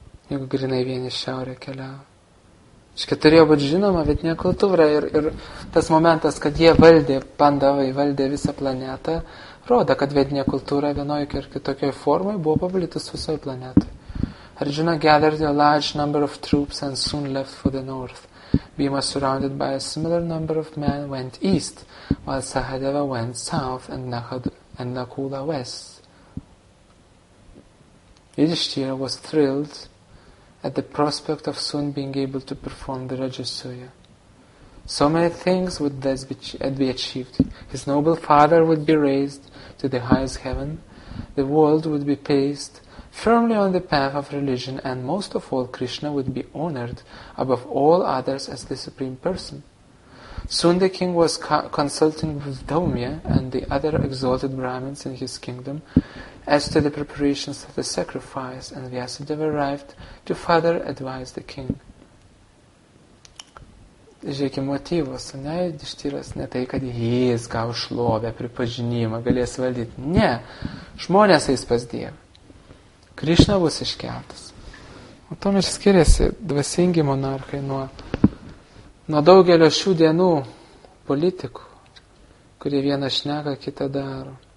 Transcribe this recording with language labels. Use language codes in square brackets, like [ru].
[lt] Jeigu grinai vieni šiaurė keliavo. Iškia, turėjo būti žinoma vietinė kultūra ir tas momentas, kad jie valdė, Pandavai valdė visą planetą, rodo, kad vietinė kultūra vienoje ir kitokioje formoje buvo paplitus visoje planetoje. [en] Arjuna gathered a large number of troops and soon left for the north. Bhima, surrounded by a similar number of men, went east, while Sahadeva went south and Nakula west. Yudhishthira was thrilled at the prospect of soon being able to perform the Rajasuya. So many things would thus be achieved. His noble father would be raised to the highest heaven, the world would be placed firmly on the path of religion, and most of all, Krishna would be honored above all others as the Supreme Person. Soon the king was consulting with Daumya and the other exalted Brahmins in his kingdom as to the preparations of the sacrifice, and Vyasadeva arrived to further advise the king. [lt] Žiūrėkime motyvus, ne, Yudhishthiras, ne tai, kad jis gavo šlovę, pripažinimą, galės valdyti. Ne, žmonės eis pas Dievą. Krišna bus iškeltas. O tom ir skiriasi dvasingi monarchai nuo daugelio šių dienų politikų, kurie vieną šneka, kitą daro.